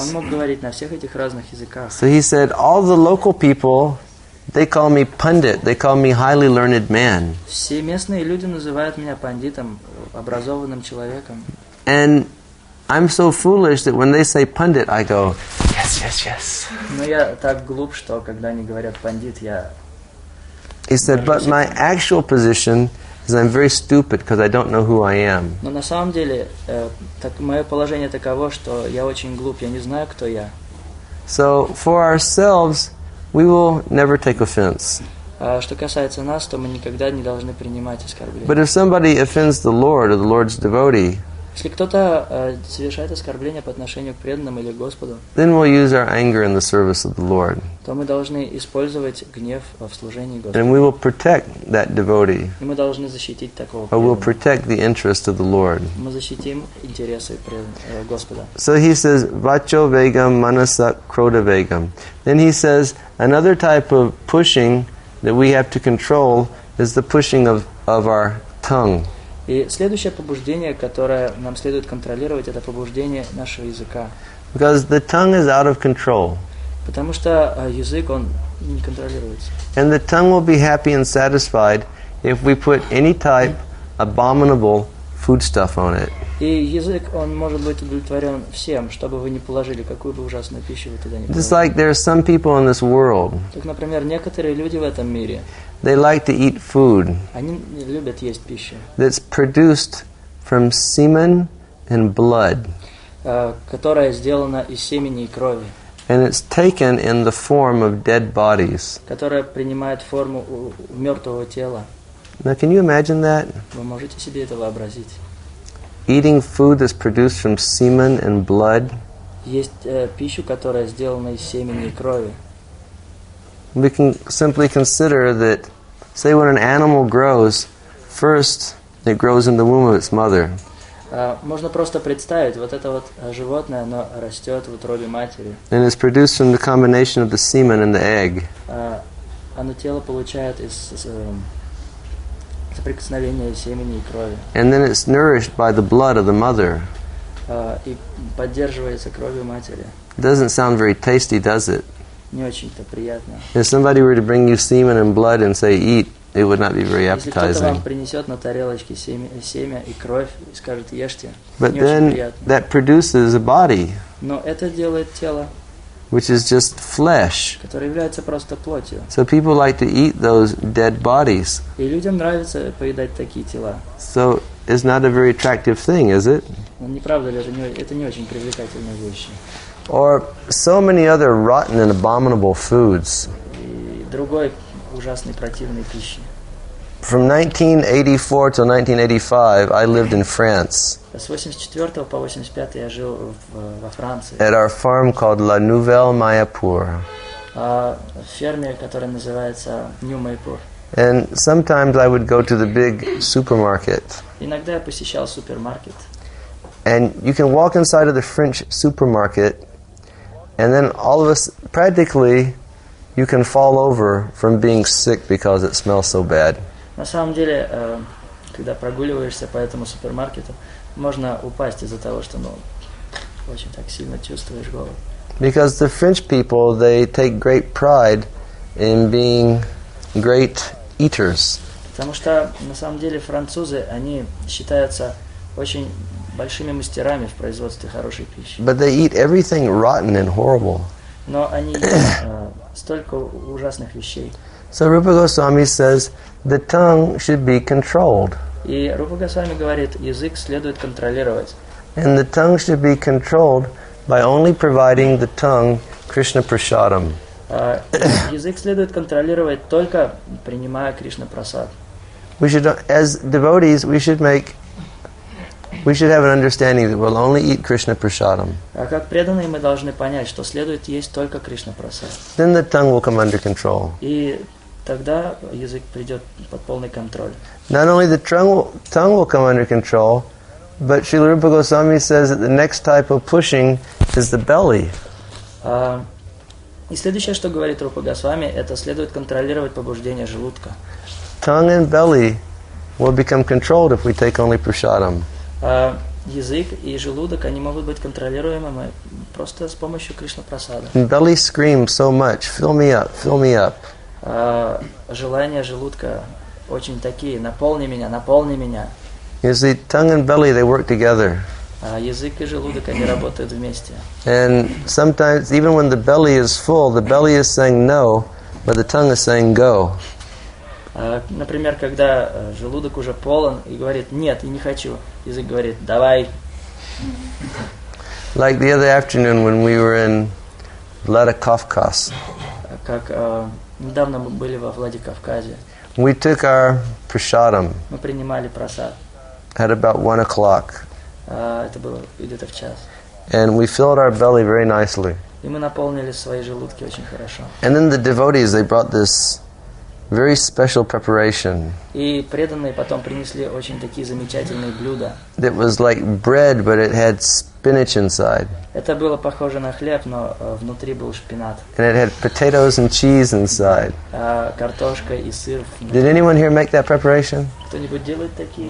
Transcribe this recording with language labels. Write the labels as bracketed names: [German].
[Russian] Он мог говорить на всех этих разных языках. [English] So he said, all the local people, they call me pundit. They call me highly learned man. [Russian] Все местные люди называют меня пандитом, образованным человеком. [English] And I'm so foolish that when they say pundit, I go, yes, yes, yes. [Russian] Но я так глуп, что когда они говорят пандит, я. [English] He said, but my actual position is I'm very stupid because I don't know who I am. [Russian] Но на самом деле, так мое положение таково, что я очень глуп, я не знаю, кто я. [English] So for ourselves, we will never take offense. [Russian] Что касается нас, то мы никогда не должны принимать оскорбления. [English] But if somebody offends the Lord or the Lord's devotee, [Russian] если кто-то совершает оскорбление по отношению к преданным или Господу, [English] then we'll use our anger in the service of the Lord. [Russian] То мы должны использовать гнев в служении Господу. [English] And we will protect that devotee. [Russian] И мы должны защитить такого преданного. [English] We'll protect the interest of the Lord. [Russian] Мы защитим интересы Господа. [English] So he says, [Sanskrit] vacho vegam manasa krodha vegam. [English] Then he says, another type of pushing that we have to control is the pushing of our tongue. [Russian] И следующее побуждение, которое нам следует контролировать, это побуждение нашего языка. [English] Because the tongue is out of control. [Russian] Потому что язык, он не контролируется. [English] And the tongue will be happy and satisfied if we put any type abominable foodstuff on it. [Russian] И язык, он может быть удовлетворен всем, чтобы вы не положили какую бы ужасную пищу вы туда не положили. [English] Just like there are some people in this world. [Russian] Так, например, некоторые люди в этом мире. [English] They like to eat food. [Russian] Они любят есть пищу. [English] That's produced from semen and blood. [Russian] Которая сделана из семени и крови. [English] And it's taken in the form of dead bodies. [Russian] Которая принимает форму мертвого тела. [English] Now, can you imagine that? [Russian] Вы можете себе это вообразить? [English] Eating food that's produced from semen and blood. [Russian] Есть пищу, которая сделана из семени и крови. [English] We can simply consider that, say, when an animal grows, first it grows in the womb of its mother. [Russian] Можно просто представить, вот это вот животное, оно растет в утробе матери. [English] And it's produced from the combination of the semen and the egg. [Russian] Оно тело получает из соприкосновения семени и крови. [English] And then it's nourished by the blood of the mother. [Russian] И поддерживается кровью матери. [English] Doesn't sound very tasty, does it? [Russian] Не очень-то приятно. [English] If somebody were to bring you semen and blood and say eat, it would not be very appetizing. [Russian] Если кто-то вам принесет на тарелочке семя и кровь и скажет ешьте, не очень приятно. [English] But then that produces a body. [Russian] Но это делает тело. [English] Which is just flesh. [Russian] Которое является просто плотью. [English] So people like to eat those dead bodies. [Russian] И людям нравится поедать такие тела. [English] So it's not a very attractive thing, is it? [Russian] Не правда ли, это не очень привлекательные вещи. [English] Or so many other rotten and abominable foods. [Russian] Другой ужасной противной пищи. [English] From 1984 till 1985, I lived in France. [Russian] С 84 по 85 я жил во Франции. [English] At our farm called La Nouvelle Mayapur. [Russian] Ферме, которая называется New Mayapur. [English] And sometimes I would go to the big supermarket. [Russian] Иногда я посещал супермаркет. [English] And you can walk inside of the French supermarket. And then all of us, practically, you can fall over from being sick because it smells so bad. [Russian] На самом деле, когда прогуливаешься по этому супермаркету, можно упасть из-за того, что, ну, очень так сильно чувствуешь голод. [English] Because the French people, they take great pride in being great eaters. [Russian] Потому что, на самом деле, французы, они считаются очень большими мастерами в производстве хорошей пищи. [English] But they eat everything rotten and horrible. [Russian] Но они едят столько ужасных вещей. [English] So Rupa Goswami says the tongue should be controlled. [Russian] И Рупа Госвами говорит, язык следует контролировать. [English] And the tongue should be controlled by only providing the tongue Krishna prasadam. [Russian] Язык следует контролировать только принимая Кришна прасад. [English] We should, as devotees, we should make We should have an understanding that we'll only eat Krishna prasadam. [Russian] А как преданные мы должны понять, что следует есть только Кришна прасад. [English] Then the tongue will come under control. [Russian] И тогда язык придет под полный контроль. [English] Not only the tongue will come under control, but Srila Rupa Goswami says that the next type of pushing is the belly. [Russian] И следующее, что говорит Рупа Госвами, это следует контролировать побуждение желудка. [English] Tongue and belly will become controlled if we take only prasadam. [Russian] Язык и желудок, они могут быть контролируемыми просто с помощью Кришна-прасада. [English] Belly screams so much, fill me up, fill me up. [Russian] Желания желудка очень такие, наполни меня, наполни меня. [English] You see, tongue and belly, they work together. [Russian] Язык и желудок, они работают вместе. [English] And sometimes, even when the belly is full, the belly is saying no, but the tongue is saying go. [Russian] Например, когда желудок уже полон и говорит «нет, и не хочу», язык говорит «давай». [English] Like the other afternoon when we were in Vladikavkaz. [Russian] как недавно мы были во Владикавказе. [English] We took our prasadam. [Russian] Мы принимали прасад. [English] At about 1 o'clock. [Russian] Это было где-то в час. [English] And we filled our belly very nicely. [Russian] И мы наполнили свои желудки очень хорошо. [English] And then the devotees, they brought this very special preparation. [Russian] И преданные потом принесли очень такие замечательные блюда. [English] It was like bread, but it had spinach inside. [Russian] Это было похоже на хлеб, но внутри был шпинат. [English] And it had potatoes and cheese inside. [Russian] Картошка и сыр. [English] Did anyone here make that preparation? [Russian] Кто-нибудь делает такие?